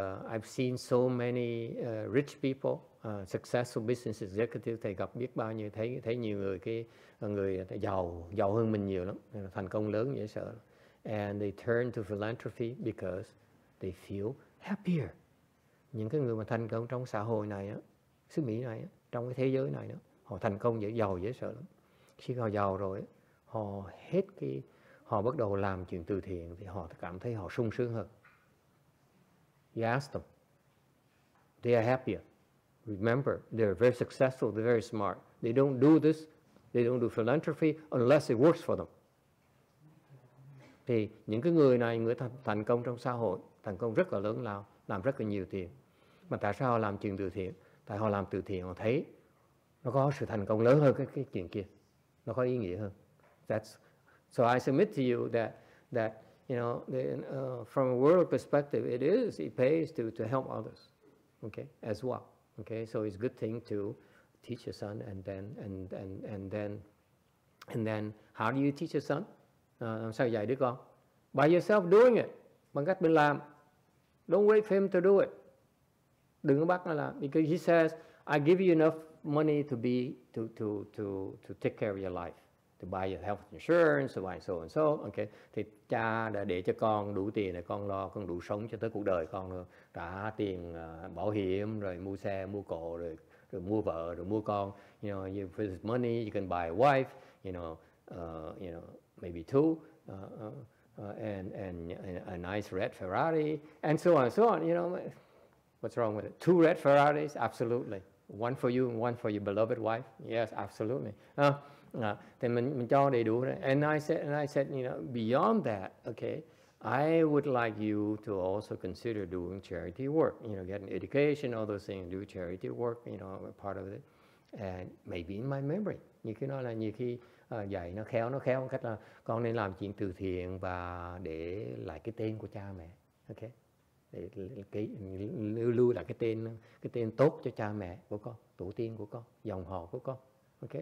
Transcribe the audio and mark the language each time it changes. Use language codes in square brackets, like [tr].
[en] I've seen so many rich people, successful business executive. [vi] Thầy gặp biết bao nhiêu, thấy nhiều người giàu hơn mình nhiều lắm, thành công lớn dễ sợ. [en] And they turn to philanthropy because they feel happier. [vi] Những cái người mà thành công trong xã hội này á, xứ Mỹ này, trong cái thế giới này nữa, họ thành công dễ giàu dễ sợ lắm. Khi họ giàu rồi, họ bắt đầu làm chuyện từ thiện thì họ cảm thấy họ sung sướng hơn. [en] You ask them, they are happier. Remember, they are very successful, they are very smart. They don't do this, they don't do philanthropy unless it works for them. [vi] Thì những cái người này, người thành công trong xã hội, thành công rất là lớn lao, làm rất là nhiều tiền. Mà tại sao họ làm chuyện từ thiện? Tại họ làm từ thiện, họ thấy nó có sự thành công lớn hơn cái chuyện kia, nó có ý nghĩa hơn. [en] So I submit to you that you know, from a world perspective, it pays to help others, okay, as well. Okay, so it's a good thing to teach your son, and then how do you teach your son? [vi] Làm sao dạy đứa con? [en] By yourself doing it, [vi] bằng cách mình làm. [en] Don't wait for him to do it. [vi] Đừng có bắt nó làm. [en] Because he says, I give you enough money to take care of your life, to buy your health insurance, so on. Okay. [vi] Thì cha đã để cho con đủ tiền để con lo, con đủ sống cho tới cuộc đời con rồi. Trả tiền bảo hiểm, rồi mua xe, mua cổ, rồi mua vợ, rồi mua con. [en] You know, you for this money, you can buy a wife. You know, maybe two. And a nice red Ferrari, and so on. You know. What's wrong with it? Two red Ferraris? Absolutely. One for you and one for your beloved wife? Yes, absolutely. Then [vi] mình cho đầy đủ. [en] And I said, you know, beyond that, okay, I would like you to also consider doing charity work, you know, get an education, all those things, do charity work, you know, part of it. And maybe in my memory, [vi] như khi nói là nhiều khi dạy nó khéo cách là con nên làm chuyện từ thiện và để lại cái tên của cha mẹ, ok? Để lưu lại cái tên tốt cho cha mẹ của con, tổ tiên của con, dòng họ của con, ok?